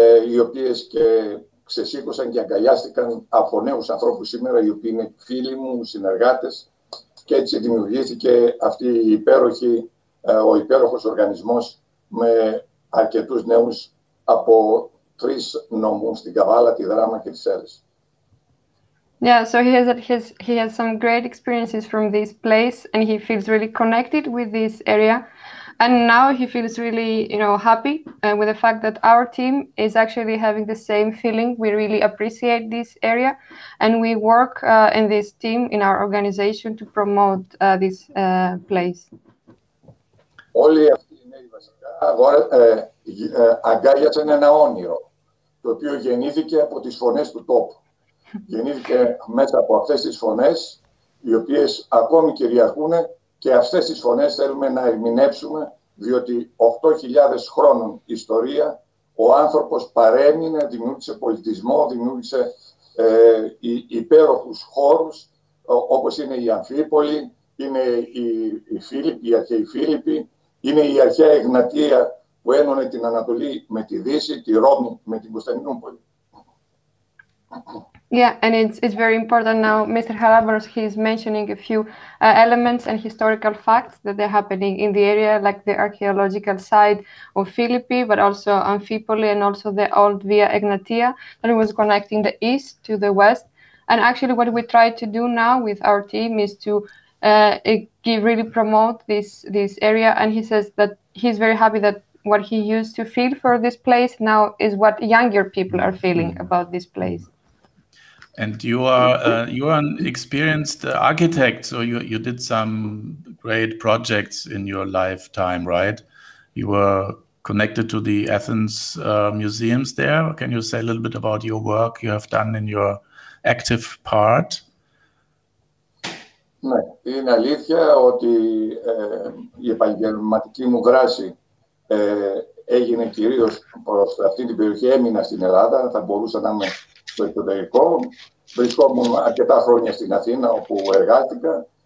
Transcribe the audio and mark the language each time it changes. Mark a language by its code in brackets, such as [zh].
[el] οι οποίες και ξεσήκωσαν και αγκαλιάστηκαν από νέους ανθρώπους σήμερα, οι οποίοι είναι φίλοι μου, συνεργάτες, και έτσι δημιουργήθηκε αυτή η υπέροχη, ο υπέροχος οργανισμός με αρκετούς νέους από τρεις νομούς, την Καβάλα, τη Δράμα και τη Σέρες. [en] Yeah, so he has some great experiences from this place, and he feels really connected with this area. And now he feels really, happy with the fact that our team is actually having the same feeling. We really appreciate this area, and we work in this team, in our organization, to promote this place. [el] Όλοι αυτοί οι νέοι βασικά αγκάλιασαν ένα όνειρο, το οποίο γεννήθηκε από τις φωνές του τόπου. Γεννήθηκε μέσα από αυτές τις φωνές, οι οποίες ακόμη κυριαρχούν, και αυτές τις φωνές θέλουμε να ερμηνεύσουμε, διότι 8.000 χρόνων ιστορία, ο άνθρωπος παρέμεινε, δημιούργησε πολιτισμό, δημιούργησε υπέροχους χώρους, όπως είναι η Αμφίπολη, είναι η Φίλιππη, η αρχαία Φίλιππη, είναι η αρχαία Εγνατία που ένωνε την Ανατολή με τη Δύση, τη Ρώμη με την Κωνσταντινούπολη. [en] Yeah, and it's very important now. Mr. Charalampos, he's mentioning a few elements and historical facts that are happening in the area, like the archaeological site of Philippi, but also Amphipoli, and also the old Via Egnatia that was connecting the east to the west. And actually, what we try to do now with our team is to really promote this area. And he says that he's very happy that what he used to feel for this place now is what younger people are feeling about this place. And you are an experienced architect, so you did some great projects in your lifetime, right? You were connected to the Athens museums there. Can you say a little bit about your work you have done in your active part? [el] Ναι, είναι αλήθεια ότι η επαγγελματική μου δράση έγινε κυρίως προς αυτή την περιοχή. Έμεινα στην Ελλάδα, θα μπορούσα να είμαι στο εξωτερικό. Βρισκόμουν αρκετά χρόνια στην Αθήνα, όπου εργάστηκα.